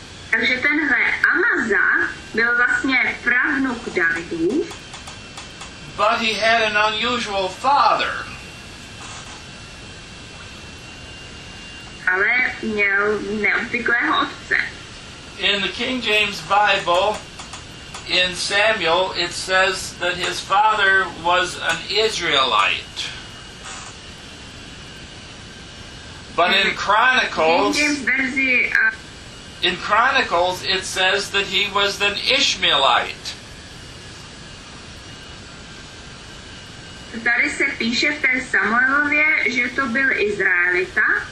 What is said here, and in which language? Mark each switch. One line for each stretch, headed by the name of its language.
Czech: Takže tenhle Amaza byl vlastně pravnuk Davidův.
English: But he had an unusual father.
Czech: Ale měl neobvyklého otce.
English: In the King James Bible, in Samuel, it says that his father was an Israelite. But in Chronicles,
Czech: King James verzi,
English: in Chronicles, it says that he was an Ishmaelite.
Czech: Tady se píše v té Samuelově, že to byl Izraelita.